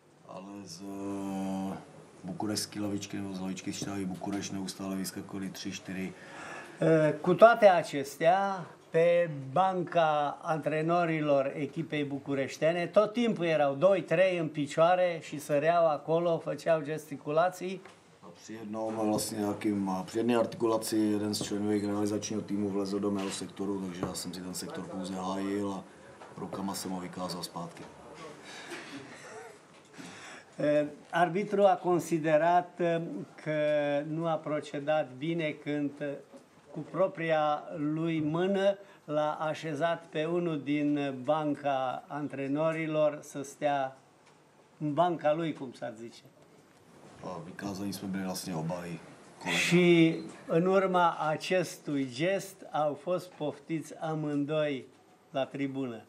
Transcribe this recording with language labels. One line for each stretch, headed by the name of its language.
Czech: Ale z bucureșcii lavičke nebo z lavičky Štávy Bucureș neustále vyskakovali 3-4.
Romanian: Cu toate acestea, pe banca antrenorilor echipei bucureștene, tot timpul erau 2-3 în picioare și săreau acolo, făceau gesticulații.
Czech: Při jednom vlastně nějakým při jedné artikulaci jeden z členů realizačního týmu vlezl do mého sektoru, takže já jsem si ten sektor pouze hájil a rukama jsem ho vykázal zpátky.
Romanian: Arbitru a considerat că nu a procedat bine când cu propria lui mână l-a așezat pe unul din banca antrenorilor să stea în banca lui, cum s-ar zice.
Czech: Vykázaní jsme byli vlastně oba i kolegy.
Romanian: A v urma acestui gest au fost poftiți amândoi la tribună.